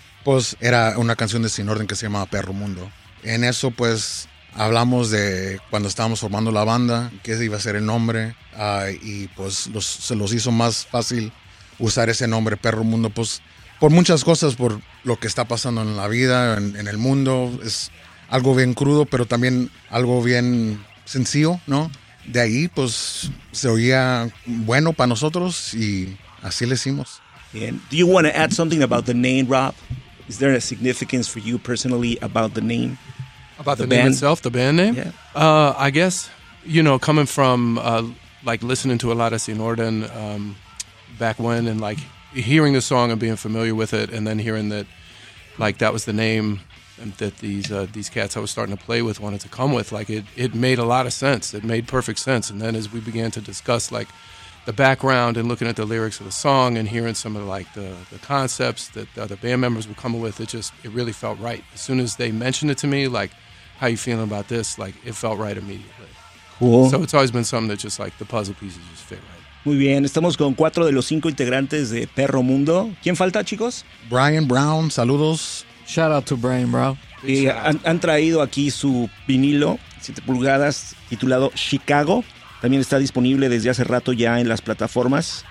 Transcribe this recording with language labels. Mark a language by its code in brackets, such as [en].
[es] Pues era una canción de Sin Orden que se llamaba Perro Mundo. En eso, pues, hablamos de cuando estábamos formando la banda, qué iba a ser el nombre, y pues se los hizo más fácil usar ese nombre, Perro Mundo, pues, por muchas cosas, por lo que está pasando en la vida, en el mundo, es algo bien crudo, pero también algo bien sencillo, ¿no? De ahí, pues, se oía bueno para nosotros y así le hicimos. [en] And do you want to add something about the name, Rob? Is there a significance for you personally about the name? About the name band? Itself, the band name? Yeah. I guess, you know, coming from, like, listening to a lot of Sin Orden back when and, like, hearing the song and being familiar with it and then hearing that, like, that was the name that these cats I was starting to play with wanted to come with, like, it made a lot of sense. It made perfect sense. And then as we began to discuss, like, the background and looking at the lyrics of the song and hearing some of, like, the concepts that the other band members were coming with, it really felt right. As soon as they mentioned it to me, like, how you feeling about this? Like, it felt right immediately. Cool. So it's always been something that just like the puzzle pieces just fit right. [es] Muy bien. Estamos con cuatro de los cinco integrantes de Perro Mundo. ¿Quién falta, chicos? Brian Brown. Saludos. [en] Shout out to Brian Brown. [es] Han traído aquí su vinilo, 7 pulgadas, titulado Chicago. También está disponible desde hace rato ya en las plataformas.